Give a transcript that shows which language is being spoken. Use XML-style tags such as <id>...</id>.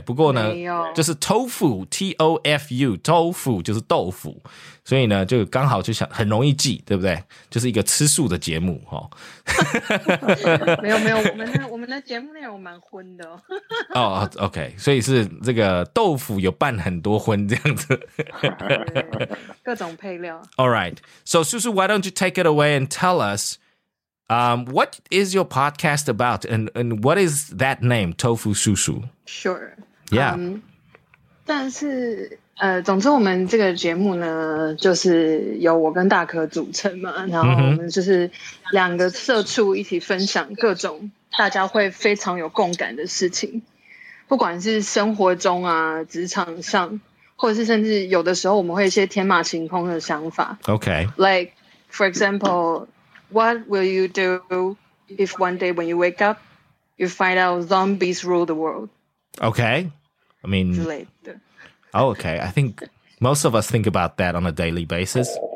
<zh>不过呢，就是 tofu，T-O-F-U， 豆腐就是豆腐，所以呢，就刚好就想很容易记，对不对？就是一个吃素的节目哈。没有没有，我们的节目内容蛮荤的。哦，OK， 所以是这个豆腐有拌很多荤这样子，各种配料。</zh> <en>All right, so Susu, why don't you take it away and tell us, what is your podcast about, and what is that name, Tofu Susu? Sure. Yeah.</en> <zh>但是。总之我们这个节目呢，就是由我跟大可组成嘛，然后我们就是两个社畜一起分享各种大家会非常有共感的事情，不管是生活中啊、职场上，或者是甚至有的时候我们会一些天马行空的想法。</zh> <en>Okay. Like, for example, what will you do if one day when you wake up, you find out zombies rule the world? Okay. I mean...</en> <zh>之类的。</zh> <en>Oh, okay. I think most of us think about that on a daily basis.</en>